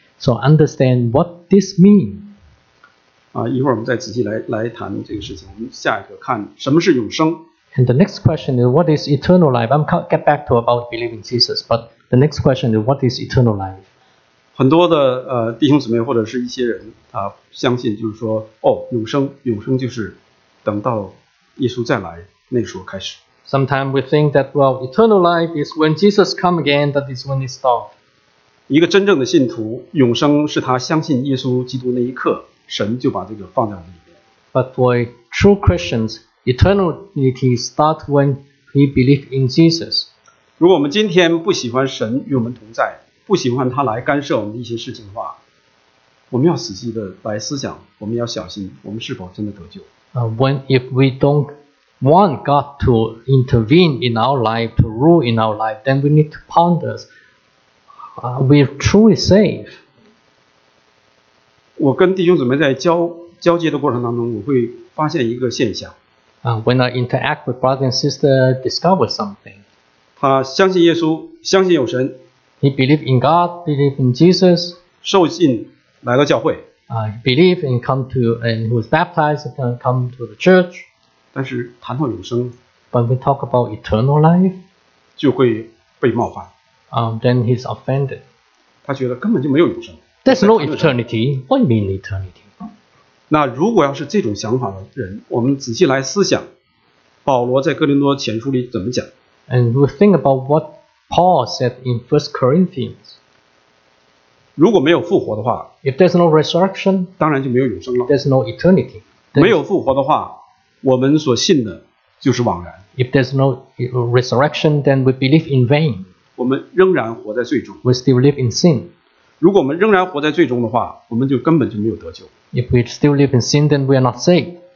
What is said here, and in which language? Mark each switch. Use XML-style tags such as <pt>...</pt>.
<en>So understand what this means.</en> <zh>一会儿我们再仔细来谈这个事情。我们下一个看什么是永生。</zh> <en>And the next question is what is eternal life? I'm get back to about believing Jesus, but the next question is what is eternal life?</en> <zh>很多的弟兄姊妹或者是一些人相信就是说哦永生就是等到耶稣再来那时候开始。</zh> <en>Sometimes we think that well eternal life is when Jesus come again that is when it starts.</en> <zh>一个真正的信徒永生是他相信耶稣基督那一刻神就把这个放在里面。</zh> <en>But for true Christians eternity starts when he believes in Jesus.</en> <zh>如果我们今天不喜欢神与我们同在。不喜欢他来干涉我们的一些事情的话，我们要仔细的来思想，我们要小心，我们是否真的得救。</zh> <en>If we don't want God to intervene in our life, to rule in our life, then we need to ponder, are we truly safe?</en> <zh>我跟弟兄姊妹在交接的过程当中，我会发现一个现象。</zh> <en>When I interact with brother and sister, discover something.</en> <zh>他相信耶稣，相信有神。</zh> <en>He believed in God, believed in Jesus.</en> <zh>受浸来到教会。</zh> <en>Believed and come to and was baptized and come to the church.</en> <zh>但是谈到永生</zh> <en>，But we talk about eternal life,</en> <zh>就会被冒犯。</zh> <en>Then he's offended.</en> <zh>他觉得根本就没有永生。</zh> <en>There's no eternity. What do you mean eternity?</en> <zh>那如果要是这种想法的人，我们仔细来思想，保罗在哥林多前书里怎么讲</zh> <en>？And we think about what. Paul said in 1 Corinthians,</en> <zh>如果没有复活的话</zh> <en>if there's no resurrection,</en> <zh>当然就没有永生了</zh> <en>there's no eternity.</en> <zh>没有复活的话，我们所信的就是枉然</zh> <en>if there's no resurrection, then we believe in vain.</en> <zh>我们仍然活在罪中</zh> <en>we still live in sin.</en> <zh>如果我们仍然活在罪中的话，我们就根本就没有得救。</zh> <en>If we still live in sin, then we are not saved.</en>